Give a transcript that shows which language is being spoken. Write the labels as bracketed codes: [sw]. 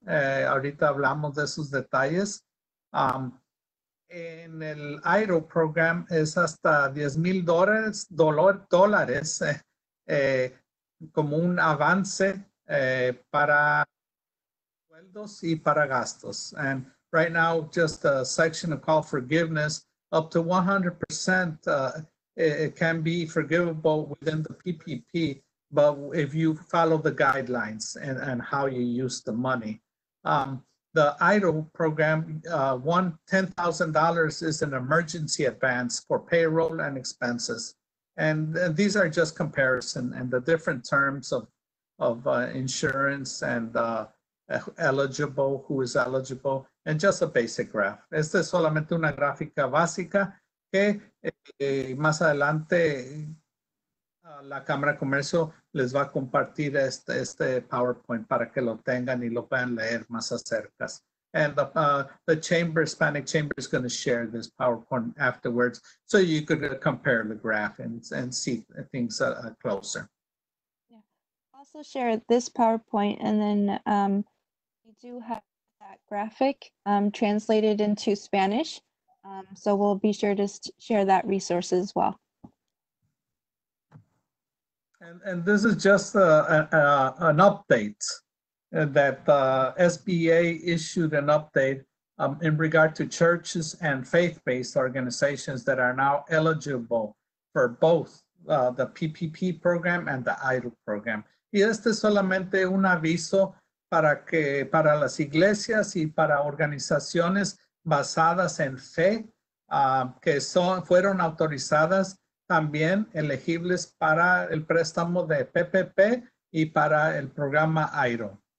[es] Ahorita hablamos de esos detalles. En el EIDL program es hasta $10,000. Como un avance para sueldos y para gastos. [en] And right now, just a section of call forgiveness, up to 100% it can be forgivable within the PPP, but if you follow the guidelines and how you use the money. The EIDL program, $10,000 is an emergency advance for payroll and expenses. And these are just comparison and the different terms of insurance and eligible, who is eligible, and just a basic graph. [es] Esta es solamente una gráfica básica que más adelante la Cámara de Comercio les va a compartir este PowerPoint para que lo tengan y lo puedan leer más acerca. [en] And the chamber, Hispanic chamber, is going to share this PowerPoint afterwards, so you could compare the graph and see things closer. Yeah, also share this PowerPoint, and then we do have that graphic translated into Spanish, so we'll be sure to share that resource as well. And this is just an update. That SBA issued an update in regard to churches and faith-based organizations that are now eligible for both the PPP program and the EIDL program. [es] Y este es solamente un aviso para las iglesias y para organizaciones basadas en fe que fueron autorizadas también elegibles para el préstamo de PPP y para el programa EIDL.